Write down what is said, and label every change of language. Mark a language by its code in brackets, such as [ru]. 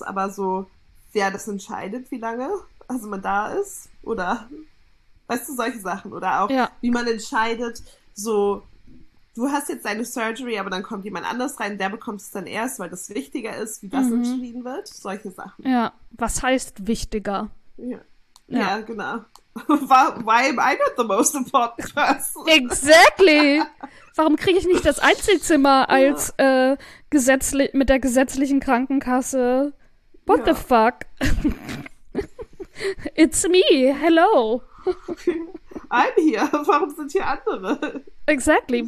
[de] Aber so, wer das entscheidet, wie lange, also man da ist, oder, weißt du, solche Sachen, oder auch, Ja. wie man entscheidet, so, du hast jetzt deine Surgery, aber dann kommt jemand anders rein, der bekommt es dann erst, weil das wichtiger ist, wie das entschieden wird, solche Sachen. Ja, was heißt wichtiger? Ja. Ja. Ja, genau. [en] Why am I not the most important person? Exactly. [de] Warum kriege ich nicht das Einzelzimmer als gesetzlich mit der gesetzlichen Krankenkasse? [en] What the [de] Ja. [en] fuck? It's me. Hello. [de] Warum sind hier andere? [en] Exactly.